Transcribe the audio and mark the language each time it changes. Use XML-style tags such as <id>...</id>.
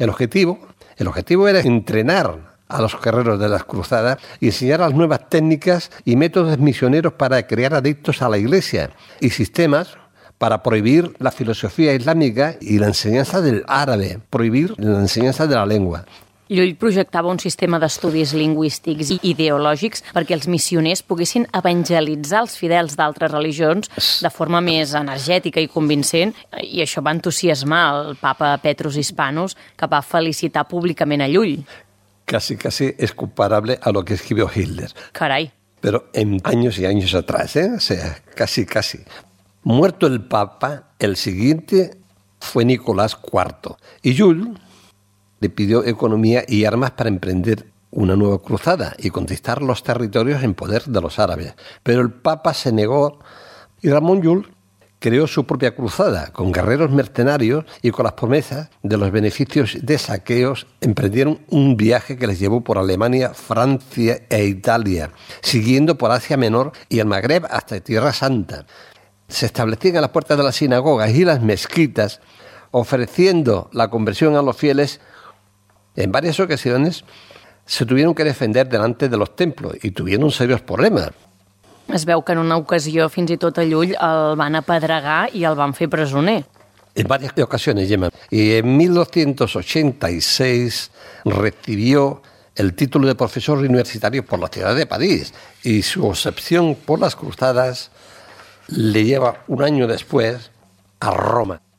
<es>El objetivo era entrenar a los guerreros de las cruzadas y enseñar las nuevas técnicas y métodos misioneros para crear adictos a la Iglesia y sistemas para prohibir la filosofía islámica y la enseñanza del árabe, prohibir la enseñanza de la lengua.</es> <ca>Llull projectava un sistema d'estudis lingüístics i ideològics perquè els missioners poguessin evangelitzar els fidels d'altres religions de forma més energètica i convincent, i això va entusiasmar el papa Petrus Hispanus, que va felicitar públicament a Llull.</ca> <es>Casi es comparable a lo que escribió Hitler.</es> <ca>Carai.</ca> <es>Pero en años y años atrás, ¿eh? O sea, casi. Muerto el papa, el siguiente fue Nicolás IV. Y Llull le pidió economía y armas para emprender una nueva cruzada y conquistar los territorios en poder de los árabes. Pero el papa se negó y Ramón Llull creó su propia cruzada con guerreros mercenarios y con las promesas de los beneficios de saqueos. Emprendieron un viaje que les llevó por Alemania, Francia e Italia, siguiendo por Asia Menor y el Magreb hasta Tierra Santa. Se establecían a las puertas de las sinagogas y las mezquitas, ofreciendo la conversión a los fieles. En varias ocasiones se tuvieron que defender delante de los templos y tuvieron serios problemas.</es> <ca>Es veu que en una ocasió, fins i tot a Llull, el van apedregar i el van fer presoner.</ca> <es>En varias ocasiones, Gemma. Y en 1286 recibió el título de profesor universitario por la ciudad de París, y su obsesión por las cruzadas le lleva un año después a Roma.</es>